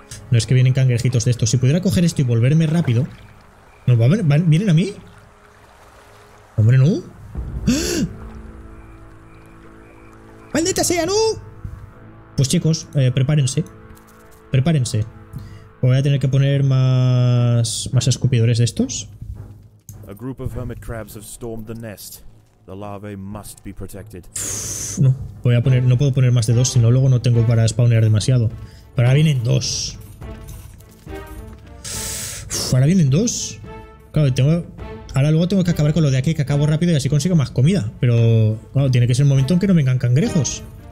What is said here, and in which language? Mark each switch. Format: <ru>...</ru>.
<es>No, es que vienen cangrejitos de estos. Si pudiera coger esto y volverme rápido. ¿No, vienen a mí? ¡Hombre, no! ¡Maldita sea, no! Pues chicos, prepárense. Prepárense. Voy a tener que poner más escupidores de estos.</es> <en>A group of hermit crabs have stormed the nest. The larvae must be protected.</en> <es>No, no puedo poner más de dos, sino luego no tengo para spawnear demasiado. Pero ahora vienen dos. Ahora vienen dos. Claro, tengo. Ahora luego tengo que acabar con lo de aquí, que acabo rápido y así consigo más comida. Pero, claro, tiene que ser el momento en que no vengan cangrejos.</es>